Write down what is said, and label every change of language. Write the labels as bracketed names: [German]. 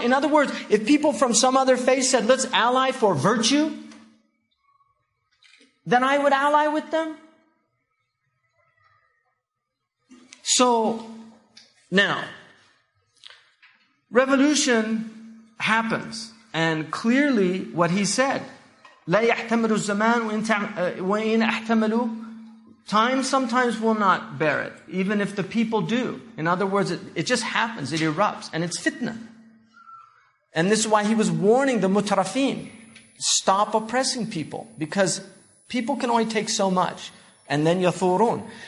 [English] In other words, if people from some other faith said, "Let's ally for virtue," then I would ally with them. So now, revolution happens, and clearly, what he said. [Arabic] لا يحتمل الزمان وإن أحتملوا. [English] Time sometimes will not bear it, even if the people do. In other words, it just happens, it erupts, and it's fitna. And this is why he was warning the mutrafin, stop oppressing people, because people can only take so much, and then yathurun.